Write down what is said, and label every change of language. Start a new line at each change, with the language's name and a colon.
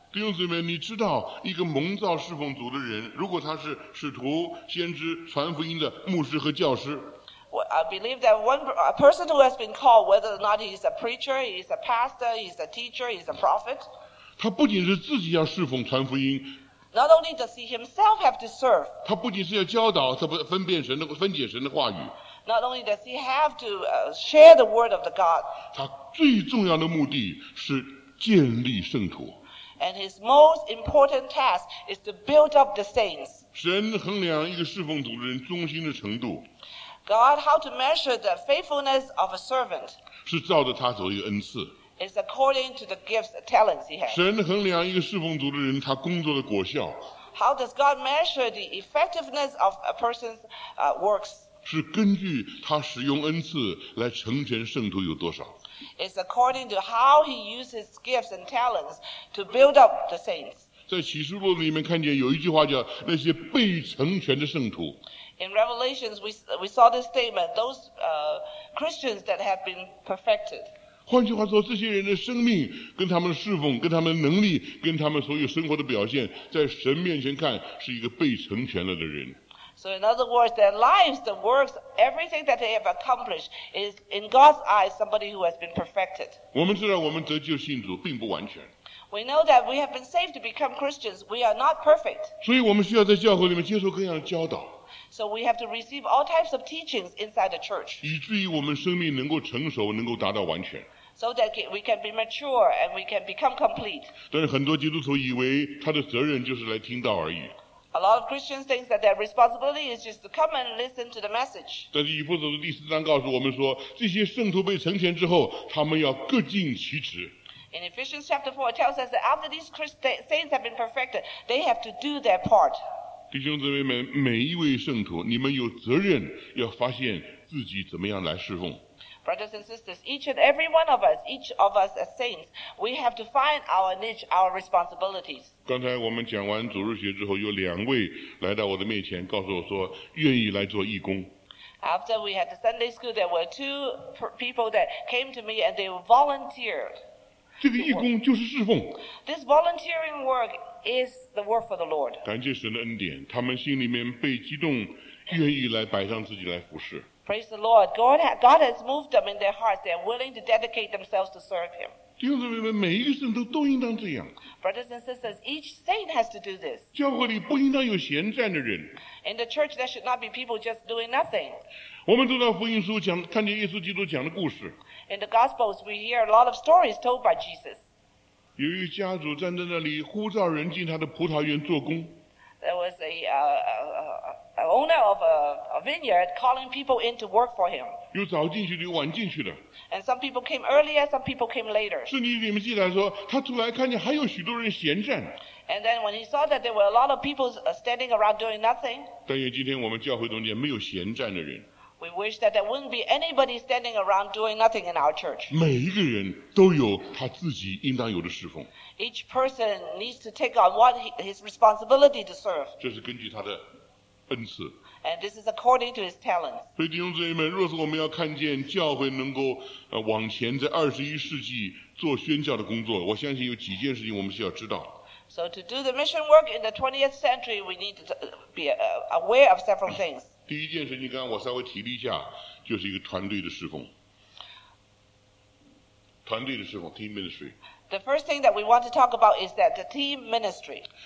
Chinese: 弟兄姊妹，你知道一个蒙召侍奉主的人，如果他是使徒、先知、传福音的牧师和教师。
English: I believe that one a person who has been called, whether or not he is a preacher, he is a pastor, he is a teacher, he is a prophet.
Chinese: 他不仅是自己要侍奉传福音。
English: Not only does he himself have to serve.
Chinese: 他不仅是要教导，他不分辨神的分解神的话语。
English: Not only does he have to share the word of the God.
Chinese: 他最重要的目的是建立圣徒。
English: And his most important task is to build up the saints.
Chinese: 神衡量一个侍奉主的人忠心的程度。
English: God, how to measure the faithfulness of a servant?
Chinese: 是照着他所有恩赐。
English: It's according to the gifts, the talents he has.
Chinese: 神衡量一个侍奉主的人他工作的果效。
English: How does God measure the effectiveness of a person's works?
Chinese: 是根据他使用恩赐来成全圣徒有多少。
English: It's according to how he uses gifts and talents to build up the saints.
Chinese: 在启示录里面看见有一句话叫那些被成全的圣徒。
English: In Revelations, we saw this statement, those Christians that have been perfected.
Chinese: 换句话说，这些人的生命跟他们的侍奉，跟他们的能力，跟他们所有生活的表现，在神面前看是一个被成全了的人。
English: So in other words, their lives, the works, everything that they have accomplished is in God's eyes somebody who has been perfected.
Chinese: 我们知道我们得救信主并不完全。
English: We know that we have been saved to become Christians. We are not perfect.
Chinese: 所以我们需要在教会里面接受各样的教导。
English: So we have to receive all types of teachings inside the church.
Chinese: 以至于我们生命能够成熟，能够达到完全。
English: So that we can be mature and we can become complete.
Chinese: 但是很多基督徒以为他的责任就是来听到而已。
English: A lot of Christians think that their responsibility is just to come and listen to the message.
Chinese: 但是以弗所书第四章告诉我们说，这些圣徒被成全之后，他们要各尽其职。
English: In Ephesians chapter 4, it tells us that after these saints have been perfected, they have to do their part.
Chinese: 弟兄姊妹们，每一位圣徒，你们有责任要发现自己怎么样来侍奉。
English: Brothers and sisters, each and every one of us, each of us as saints, we have to find our niche, our responsibilities.
Chinese: 刚才我们讲完主日学之后，有两位来到我的面前，告诉我说愿意来做义工。
English: After we had the Sunday school, there were two people that came to me and they volunteered.
Chinese: 这个义工就是侍奉。
English: This volunteering work is the work for the Lord.
Chinese: 感谢神的恩典，他们心里面被激动，愿意来摆上自己来服侍。
English: Praise the Lord. God has moved them in their hearts. They are willing to dedicate themselves to serve Him.
Chinese: 弟兄姊妹们，每一个圣徒都应当这样。
English: Brothers and sisters, each saint has to do this.
Chinese: 教会里不应当有闲站的人。
English: In the church, there should not be people just doing nothing.
Chinese: 我们读到福音书讲，看见耶稣基督讲的故事。
English: In the Gospels, we hear a lot of stories told by Jesus.
Chinese: 有一个家主站在那里，呼召人进他的葡萄园做工。
English: There was an owner of a vineyard calling people in to work for him.
Chinese: 有早进去的，有晚进去的。
English: And some people came earlier, some people came later.
Chinese: 圣经里面记载说，他出来看见还有许多人闲站。
English: And then when he saw that there were a lot of people standing around doing nothing.
Chinese: 但愿今天我们教会中间没有闲站的人。
English: We wish that there wouldn't be anybody standing around doing nothing in our church.
Chinese: 每一个人都有他自己应当有的侍奉。
English: Each person needs to take on what his responsibility to serve.
Chinese: 这是根据他的恩赐。
English: And this is according to his talents.
Chinese: 所以弟兄姊妹们，若是我们要看见教会能够往前在二十一世纪做宣教的工作，我相信有几件事情我们需要知道。
English: So to do the mission work in the 20th century, we need to be aware of several things.
Chinese: 第一件事情，刚刚我稍微提了一下，就是一个团队的侍奉，团队的侍奉 ，team ministry。
English: The first thing that we want to talk about is that the team ministry.